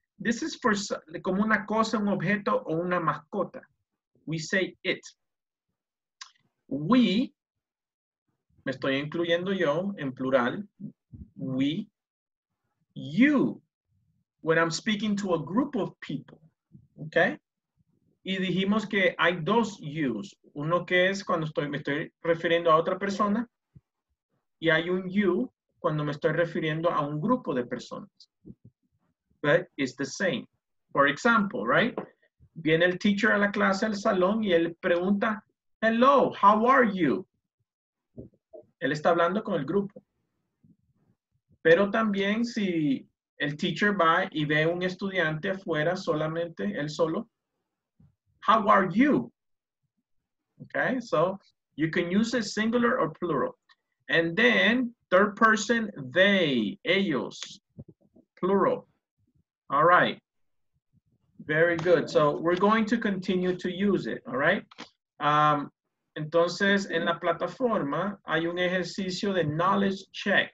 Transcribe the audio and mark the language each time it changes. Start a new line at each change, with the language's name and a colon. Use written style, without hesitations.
English: This is for
Spanish: como una cosa, un objeto o una mascota.
English: We say it.
Spanish: We, me estoy incluyendo yo en plural.
English: We, you. When I'm speaking to a group of people, okay?
Spanish: Y dijimos que hay dos yous. Uno que es cuando me estoy refiriendo a otra persona. Y hay un you cuando me estoy refiriendo a un grupo de personas.
English: But it's the same. For example, right?
Spanish: Viene el teacher a la clase, al salón, y él pregunta,
English: hello, how are you?
Spanish: Él está hablando con el grupo. Pero también si el teacher va y ve un estudiante afuera solamente, él solo.
English: How are you? Okay, so you can use a singular or plural. And then third person, they, ellos, plural. All right, very good. So we're going to continue to use it, all right?
Spanish: Entonces, en la plataforma hay un ejercicio de knowledge check.